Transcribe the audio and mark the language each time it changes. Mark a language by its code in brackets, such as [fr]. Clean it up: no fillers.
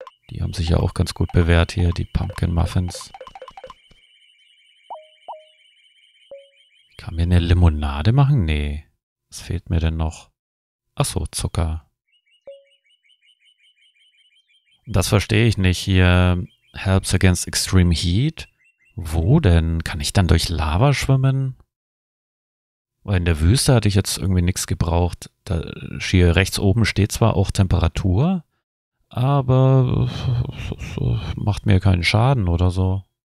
[de] Die haben sich ja auch ganz gut bewährt hier, die Pumpkin Muffins. Kann mir eine Limonade machen? Nee. Was fehlt mir denn noch? Ach so, Zucker. Das verstehe ich nicht hier. [en] Helps against extreme heat. [de] Wo denn? Kann ich dann durch Lava schwimmen? Weil in der Wüste hatte ich jetzt irgendwie nichts gebraucht. Da, hier rechts oben steht zwar auch Temperatur, aber macht mir keinen Schaden oder so.